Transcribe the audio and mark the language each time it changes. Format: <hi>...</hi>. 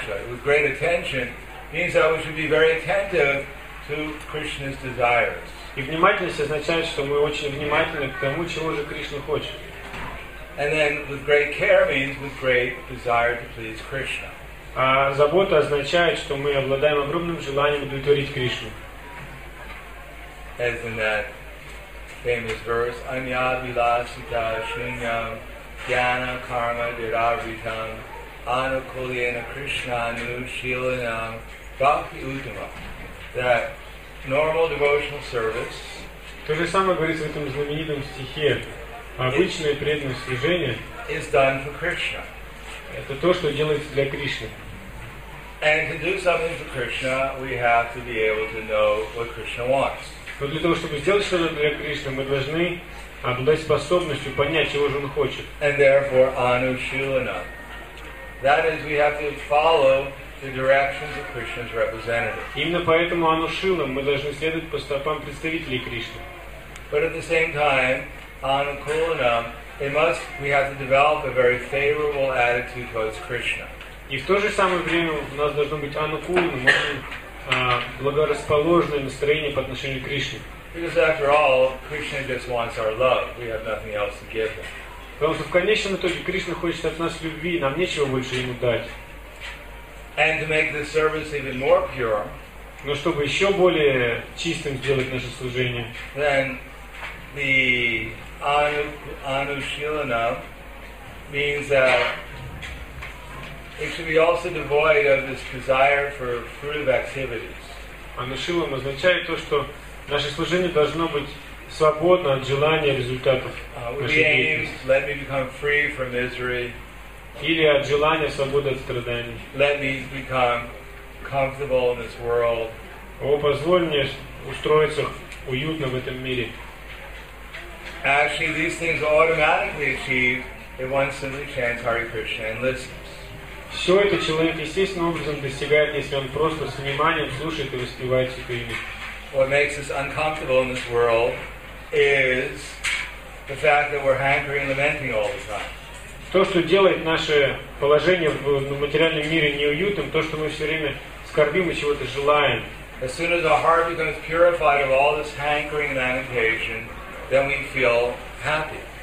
<en>With great attention means that we should be very attentive to Krishna's desires.</en> <ru>И внимательность означает, что мы очень внимательны к тому, чего же Кришна хочет.</ru> <en>And then with great care means with great desire to please Krishna.</en> <ru>А забота означает, что мы обладаем огромным желанием удовлетворить Кришну.</ru> <en>As in that famous verse,</en> <sa>Anya Vilasita Shunyam Jnana Karma Diravitam Anukulyena Krishnanu Shilanam Bhakti Uttama.</sa> <en>That normal devotional service.</en> <ru>То же самое говорится в этом знаменитом стихе. Обычное преданное служение</ru> <en>is done for Krishna.</en> <ru>Это то, что делается для Кришны.</ru> <en>And to do something for Krishna, we have to be able to know what Krishna wants.</en> <ru>Но для того, чтобы сделать что-то для Кришны, мы должны обладать способностью понять, чего же Он хочет.</ru> <en>And therefore, Anu Shilanam. That is, we have to follow the directions of Krishna's representative.</en> <ru>Именно поэтому Анушила, мы должны следовать по стопам представителей Кришны.</ru> <en>But at the same time, Anukulanam, we have to develop a very favorable attitude towards Krishna.</en> <ru>И в то же самое время у нас должно быть Анукулана, благорасположенное настроение по отношению к Кришне.</ru> <en>Because after all, Krishna just wants our love. We have nothing else to give him.</en> <ru>Потому что в конечном итоге Кришна хочет от нас любви, нам нечего больше ему дать.</ru> <en>And to make the service even more pure.</en> <ru>Но чтобы еще более чистым сделать наше служение.</ru> <en>Then the anushilana means that it should be also devoid of this desire for fruitive activities.</en> <ru>Анушилана означает то, что наше служение должно быть свободно от желания результатов нашей деятельности.</ru> <en>Let me become free from misery.</en> <ru>Или от желания свободы от страданий.</ru> <en>Let me become comfortable in this world.</en> <ru>О, позволь мне устроиться уютно в этом мире.</ru> <en>Actually, these things are automatically achieved if one simply chants Hare Krishna and listens.</en> <ru>Все это человек естественным образом достигает, если он просто с вниманием слушает и воспевает это имя.</ru> <en>What makes us uncomfortable in this world is the fact that we're hankering and lamenting all the time.</en> <ru>То, что делает наше положение в материальном мире неуютным, то, что мы все время скорбим и чего-то желаем.</ru> <en>As soon as our heart becomes purified of all this hankering and lamentation, then we feel happy.</en>